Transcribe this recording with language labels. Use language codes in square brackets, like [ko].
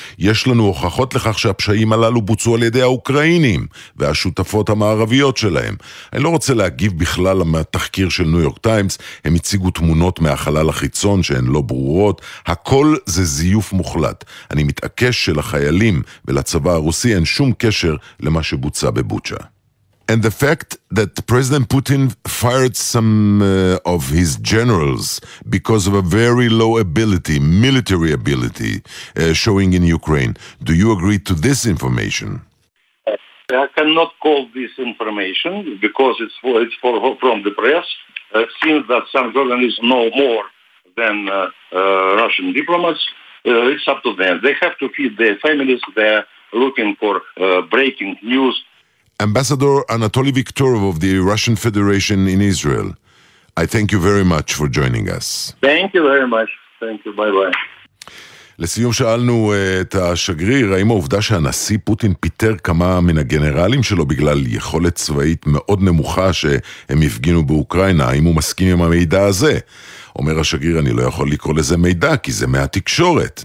[he] יש לנו הוכחות לכך שהפשעים הללו בוצעו על ידי האוקראינים והשותפות המערביות שלהם. אני לא רוצה להגיב בכלל מהתחקיר של ניו יורק טיימס, הם הציגו תמונות מהחלל החיצון שהן לא ברורות, הכל זה זיוף מוחלט. אני מתעקש שלחיילים ולצבא הרוסי אין שום קשר למה שבוצע בבוצ'ה. [en] And the fact that President Putin fired some of his generals because of a very low ability, military ability, showing in Ukraine. Do you agree to this information? I cannot call this information because it's from the press. It seems that some journalists know more than Russian diplomats. It's up to them. They have to feed their families. They're looking for breaking news. Ambassador Anatoly Viktorov of the Russian Federation in Israel, I thank you very much for joining us. Thank you very much. Thank you. Bye-bye. [he] לסיום שאלנו את השגריר, האם העובדה שהנשיא פוטין פיטר כמה מן הגנרלים שלו בגלל יכולת צבאית מאוד נמוכה שהם הפגינו באוקראינה, האם הוא מסכים עם המידע הזה? אומר השגריר, אני לא יכול לקרוא לזה מידע, כי זה מהתקשורת.